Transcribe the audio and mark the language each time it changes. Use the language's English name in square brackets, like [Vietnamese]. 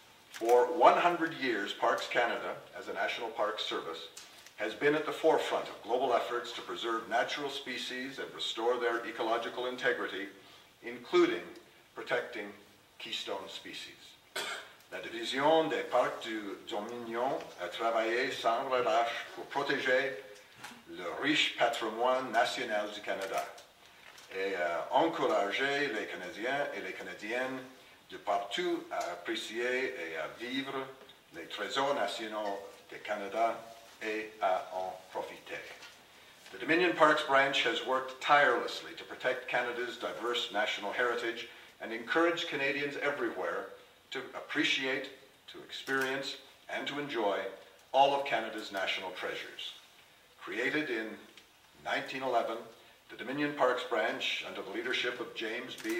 [English] For 100 years, Parks Canada, as a national park service, has been at the forefront of global efforts to preserve natural species and restore their ecological integrity, including protecting keystone species. [French] La Division des Parcs du Dominion a travaillé sans relâche pour protéger le riche patrimoine national du Canada et encourager les Canadiens et les Canadiennes de partout à apprécier et à vivre les trésors nationaux du Canada et à en profiter. [English] The Dominion Parks branch has worked tirelessly to protect Canada's diverse national heritage and encourage Canadians everywhere to appreciate, to experience, and to enjoy all of Canada's national treasures. Created in 1911, the Dominion Parks branch, under the leadership of James B.